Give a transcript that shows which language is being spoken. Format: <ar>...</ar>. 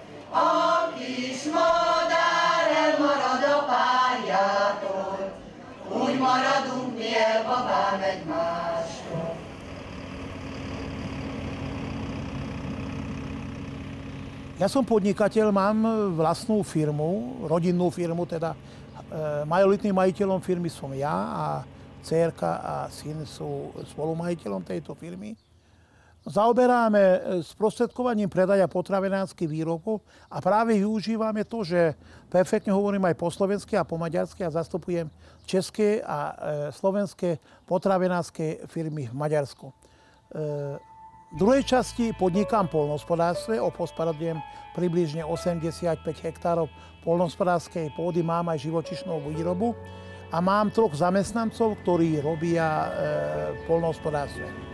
<hu>A kis madár elmarad a párjától, úgy maradunk mi el babám egy mástól.</hu> <cs>Já jsem podnikatel, mám vlastnou firmu, rodinnou firmu teda. Majoritním majitelem firmy jsem já a dcerka a syn jsou spolumajitelem této firmy.</cs> <sk>Zaoberáme zprostředkovaním predaja potravinářských výrobků a</sk> <cs>právě využíváme to, že perfektně</cs> <sk>hovorím aj po slovensky a po maďarsky a zastupujem české a slovenské potravinářské firmy v Maďarsku. V druhej časti podnikám poľnohospodárstve, obhospodarujem približne 85 hektárov poľnohospodárskej pôdy, mám aj živočišnú výrobu a mám troch zamestnancov, ktorí robia poľnohospodárstve.</sk>